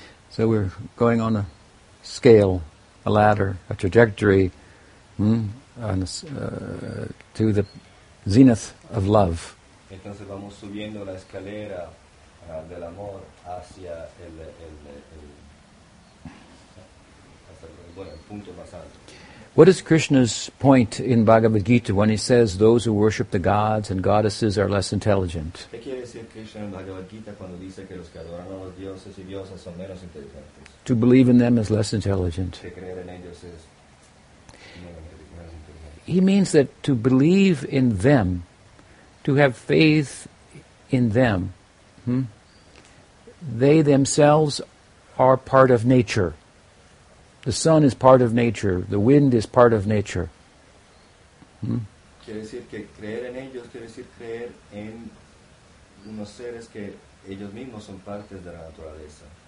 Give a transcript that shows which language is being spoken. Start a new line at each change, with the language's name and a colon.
English: So we're going on a scale, a ladder, a trajectory to the zenith of love.
Spanish: Entonces vamos subiendo la escalera del amor hacia el punto más alto.
English: What is Krishna's point in Bhagavad Gita when he says those who worship the gods and goddesses are less intelligent?
Spanish: ¿Qué quiere decir Krishna en Bhagavad Gita cuando dice que los que adoran a los dioses y diosas son menos inteligentes?
English: To believe in them is less intelligent.
Spanish: Que creer en ellos es menos inteligente.
English: He means that to believe in them, to have faith in them, they themselves are part of nature. The sun is part of nature. The wind is part of nature.
Spanish: Quiere decir que creer en ellos quiere decir creer en unos seres que ellos mismos son partes de la naturaleza.